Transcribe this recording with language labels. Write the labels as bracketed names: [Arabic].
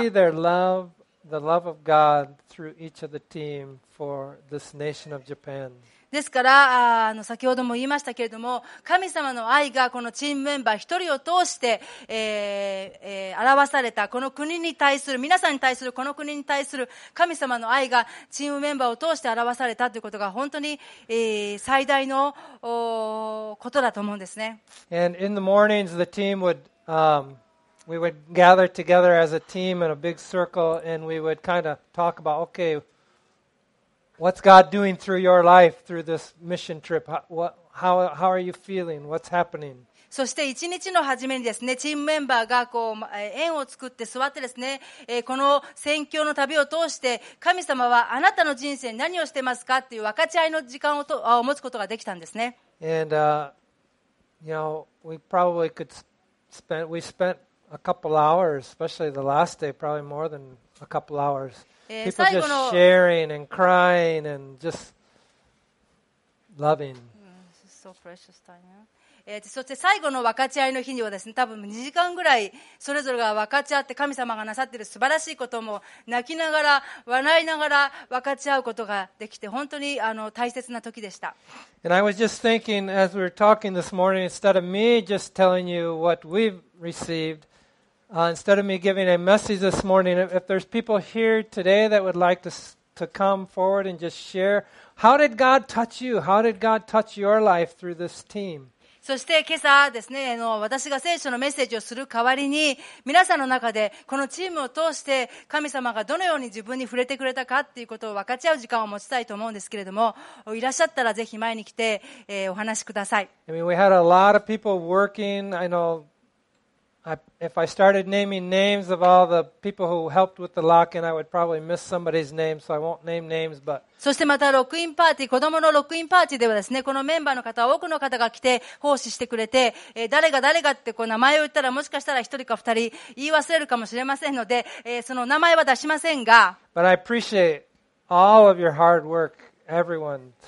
[English] And you can see their love, the love of God through each of the team for this nation of Japan. [Japanese] ですから、あの先ほども言いましたけれども、神様の愛がこのチームメンバー一人を通して、表された、この国に対する、皆さんに対する、この国に対する神様の愛がチームメンバーを通して表されたということが本当に、最大のことだと思うんですね。 [English] And in the mornings the team would、we would gather together as a team in a big circle and we would kind of talk about okayWhat's God doing through your life, through this mission trip? How are you feeling? What's happening? [Japanese] そして一日の初めにですね、チームメンバーがこう円を作って座ってですね、この宣教の旅を通して神様はあなたの人生に何をしてますかっていう分かち合いの時間を持つことができたんですね。 [English] And, you know, we probably could spend, we spent a couple hours, especially the last day, probably more than a couple hours. People just sharing and crying and just loving. This is so precious time. [Japanese] そして最後の分かち合いの日にはですね、多分2時間ぐらいそれぞれが分かち合って神様がなさっている素晴らしいことも泣きながら笑いながら分かち合うことができて、本当にあの大切な時でした。 [English] And I was just thinking as we were talking this morning, instead of me just telling you what we've received,instead of me giving a message this morning, if there's people here today that would like to come forward and just share, how did God touch you? How did God touch your life through this team? [Japanese] そして今朝ですね、私が聖書のメッセージをする代わりに、皆さんの中でこのチームを通して神様がどのように自分に触れてくれたかっていうことを分かち合う時間を持ちたいと思うんですけれども、いらっしゃったらぜひ前に来て、お話しください。 [English] I mean, we had a lot of people working. I knowIf I started naming names of all the people who helped with the lock-in, I would probably miss somebody's name, so I won't name names, but... [Japanese] そしてまたロックインパーティー、子供のロックインパーティーではですね、このメンバーの方、多くの方が来て奉仕してくれて、誰が誰がってこう名前を言ったら、もしかしたら一人か二人言い忘れるかもしれませんので、その名前は出しませんが。 [English] But I appreciate all of your hard work, everyone, too.